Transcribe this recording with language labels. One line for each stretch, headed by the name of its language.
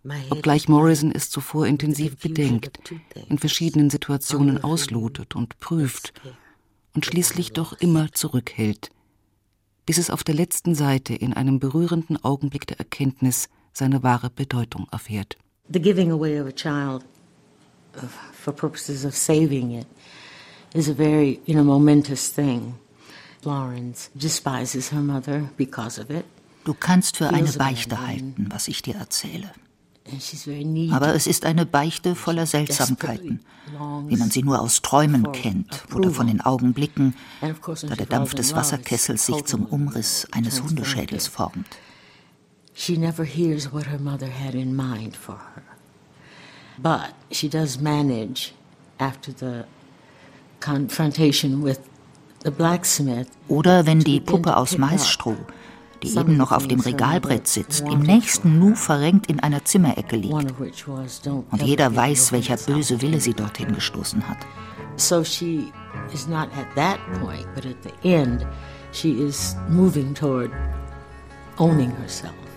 German: Obgleich Morrison es zuvor intensiv bedenkt, in verschiedenen Situationen auslotet und prüft und schließlich doch immer zurückhält, bis es auf der letzten Seite in einem berührenden Augenblick der Erkenntnis seine wahre Bedeutung erfährt.
English: The giving away of a child for purposes of saving it is a very, you know, momentous thing. Florence despises her mother because of it.
German: Du kannst für eine Beichte halten, was ich dir erzähle. Aber es ist eine Beichte voller Seltsamkeiten, wie man sie nur aus Träumen kennt oder von den Augenblicken, da der Dampf des Wasserkessels sich zum Umriss eines Hundeschädels formt.
English: She never hears what her mother had in mind for her. But she does manage, after the confrontation with the blacksmith,
German: oder wenn die Puppe aus Maisstroh, die eben noch auf dem Regalbrett sitzt, im nächsten Nu verrenkt in einer Zimmerecke liegt. Und jeder weiß, welcher böse Wille sie dorthin gestoßen hat.
English: So she is not at that point, but at the end, she is moving toward owning herself.